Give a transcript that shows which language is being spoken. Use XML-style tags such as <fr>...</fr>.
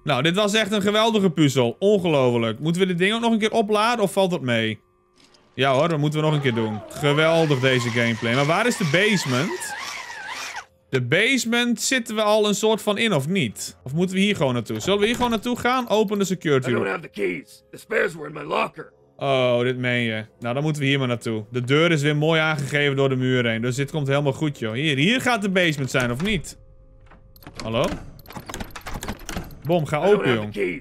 <nl>Nou, dit was echt een geweldige puzzel. Ongelooflijk. Moeten we dit ding ook nog een keer opladen of valt dat mee? Ja hoor, dat moeten we nog een keer doen. Geweldig deze gameplay. Maar waar is de basement? De basement zitten we al een soort van in of niet? Of moeten we hier gewoon naartoe? Zullen we hier gewoon naartoe gaan? Open de security</nl> <en>room. I don't have the keys. The spares were in my locker.</en> <nl>Oh, dit meen je. Nou, dan moeten we hier maar naartoe. De deur is weer mooi aangegeven door de muur heen. Dus dit komt helemaal goed, joh. Hier gaat de basement zijn, of niet? Hallo? Bom, ga open, jong.</nl>